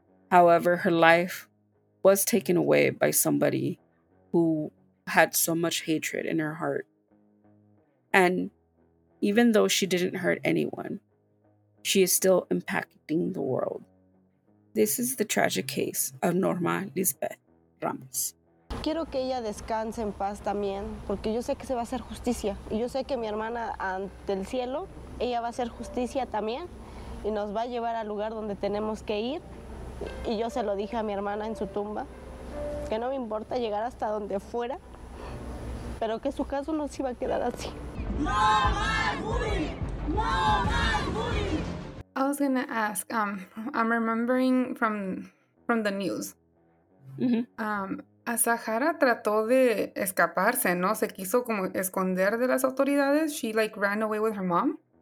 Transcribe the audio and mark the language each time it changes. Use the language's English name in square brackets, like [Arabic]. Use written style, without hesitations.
[English] However, her life was taken away by somebody who had so much hatred in her heart. And even though she didn't hurt anyone, she is still impacting the world. This is the tragic case of Norma Lizbeth Ramos. [Spanish] Quiero que ella descanse en paz también, porque yo sé que se va a hacer justicia. Y yo sé que mi hermana ante el cielo, ella va a hacer justicia también y nos va a llevar al lugar donde tenemos que ir. Y yo se lo dije a mi hermana en su tumba, que no me importa llegar hasta donde fuera, pero que su caso no se iba a quedar así. No más bullying. No más bullying. [English] I was gonna ask, I'm remembering from the news. Mm-hmm. [Spanish] Asahara trató de escaparse, ¿no? Se quiso como esconder de las autoridades. [English] She like ran away with her mom.